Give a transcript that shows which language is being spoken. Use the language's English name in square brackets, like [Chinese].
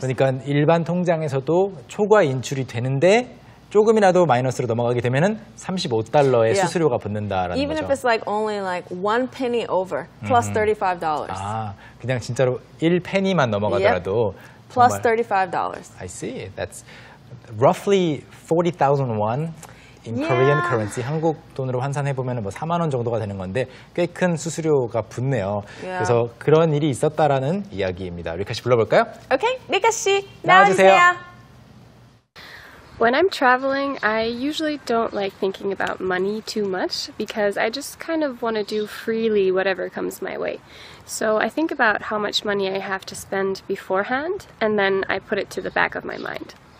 [Korean] 그러니까 일반 통장에서도 초과 인출이 되는데 조금이라도 마이너스로 넘어가게 되면은 35달러의 yeah. 수수료가 붙는다라는 [English] Even [Korean] 거죠. [English] Even if it's like only like one penny over plus $35. [Korean] 아, 그냥 진짜로 1페니만 넘어가더라도 [English] yep. plus $35. I see. That's roughly 40,000 won in yeah. Korean currency. [Korean] 한국 돈으로 환산해 보면은 뭐 4만 원 정도가 되는 건데 꽤 큰 수수료가 붙네요. [English] Yeah. [Korean] 그래서 그런 일이 있었다라는 이야기입니다. 리카 씨 불러볼까요? Okay, 리카 씨 나와주세요. [English] When I'm traveling, I usually don't like thinking about money too much because I just kind of want to do freely whatever comes my way. So I think about how much money I have to spend beforehand and then I put it to the back of my mind.